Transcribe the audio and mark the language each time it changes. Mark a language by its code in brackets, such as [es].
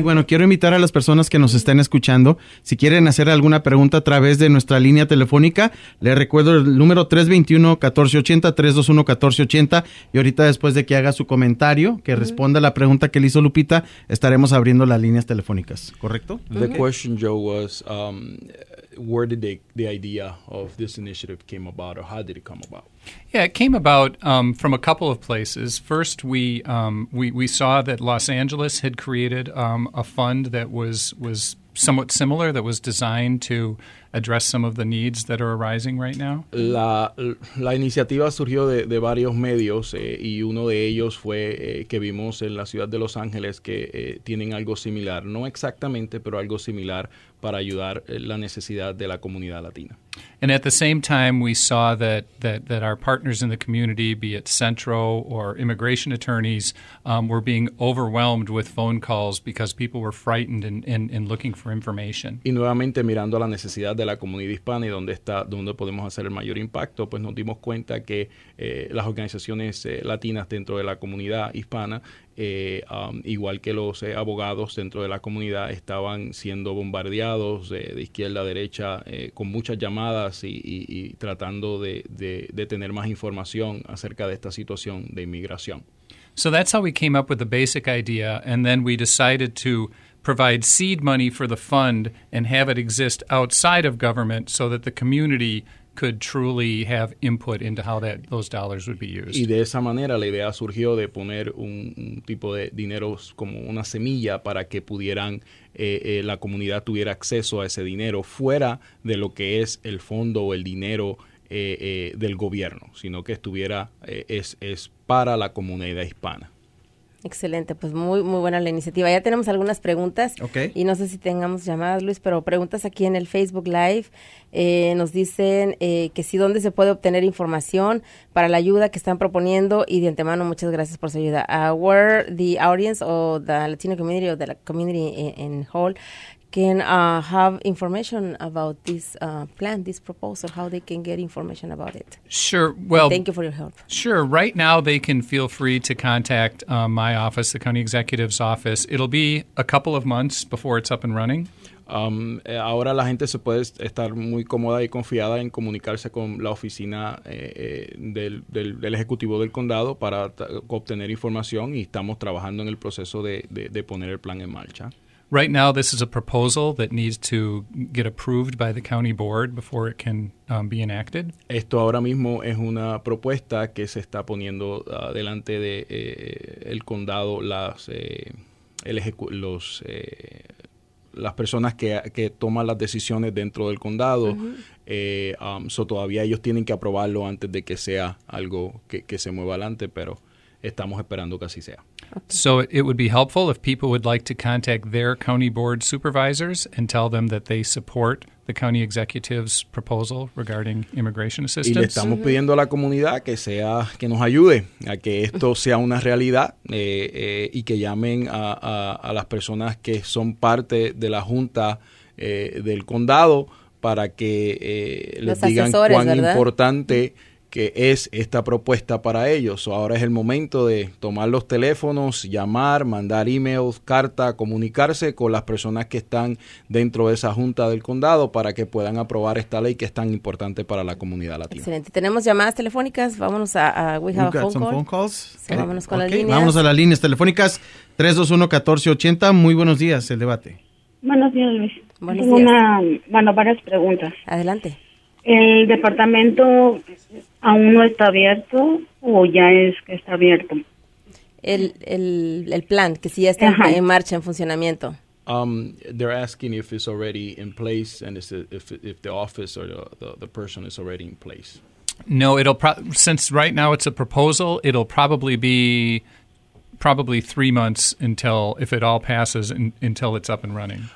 [es] Y bueno, quiero invitar a las personas que nos estén escuchando, si quieren hacer alguna pregunta a través de nuestra línea telefónica, le recuerdo el número 321-1480, 321-1480, y ahorita después de que haga su comentario, que responda la pregunta que le hizo Lupita, estaremos abriendo las líneas telefónicas, ¿correcto? [en] The question, Joe, was where did the idea of this initiative came about, or how did it come about? Yeah, it came about from a couple of places. First, we saw that Los Angeles had created a fund that was somewhat similar, that was designed to address some of the needs that are arising right now. [es] La iniciativa surgió de varios medios, y uno de ellos fue que vimos en la ciudad de Los Ángeles que tienen algo similar, no exactamente, pero algo similar para ayudar la necesidad de la comunidad latina. [en] And at the same time, we saw that our partners in the community, be it Centro or immigration attorneys, were being overwhelmed with phone calls because people were frightened and looking for information. [es] Y nuevamente mirando la necesidad de la comunidad hispana y dónde podemos hacer el mayor impacto, pues nos dimos cuenta que las organizaciones latinas dentro de la comunidad hispana, igual que los abogados dentro de la comunidad, estaban siendo bombardeados de izquierda a derecha con muchas llamadas y tratando de tener más información acerca de esta situación de inmigración. [en] So that's how we came up with the basic idea, and then we decided to provide seed money for the fund and have it exist outside of government so that the community could truly have input into how those dollars would be used. [es] Y de esa manera la idea surgió de poner un tipo de dinero como una semilla para que pudieran la comunidad tuviera acceso a ese dinero fuera de lo que es el fondo o el dinero del gobierno, sino que estuviera es para la comunidad hispana. Excelente, pues muy muy buena la iniciativa. Ya tenemos algunas preguntas. [en] Okay. [es] Y no sé si tengamos llamadas, Luis, pero preguntas aquí en el Facebook Live. Nos dicen que sí, dónde se puede obtener información para la ayuda que están proponiendo, y de antemano muchas gracias por su ayuda. [en] Where the audience or the Latino community or the community in whole can have information about this plan, this proposal, how they can get information about it. Sure. Well, thank you for your help. Sure. Right now they can feel free to contact my office, the county executive's office. It'll be a couple of months before it's up and running. [es] Ahora la gente se puede estar muy cómoda y confiada en comunicarse con la oficina del ejecutivo del condado para obtener información, y estamos trabajando en el proceso de poner el plan en marcha. [en] Right now, this is a proposal that needs to get approved by the county board before it can be enacted. [es] Esto ahora mismo es una propuesta que se está poniendo delante de el condado, las personas que toman las decisiones dentro del condado. So todavía ellos tienen que aprobarlo antes de que sea algo que se mueva adelante, pero estamos esperando que así sea. [en] So it would be helpful if people would like to contact their county board supervisors and tell them that they support the county executive's proposal regarding immigration assistance. [es] Y le estamos pidiendo a la comunidad que sea, que nos ayude a que esto sea una realidad y que llamen a las personas que son parte de la junta del condado para que les digan cuán importante que es esta propuesta para ellos. So ahora es el momento de tomar los teléfonos, llamar, mandar emails, carta, comunicarse con las personas que están dentro de esa junta del condado para que puedan aprobar esta ley que es tan importante para la comunidad latina. Excelente. Tenemos llamadas telefónicas. Vámonos a [en] We have phone calls. [es] Okay. Vámonos con las líneas. Vámonos a las líneas telefónicas. 321-1480. Muy buenos días. El debate. Buenos días, Luis. Buenos días. Varias preguntas. Adelante. ¿El departamento aún no está abierto o ya es que está abierto? El plan, que sí ya está en marcha, en funcionamiento. [en] They're asking if it's already in place and if the office or the person is already in place. No, since right now it's a proposal, it'll probably be 3 months until, if it all passes, until it's up and running.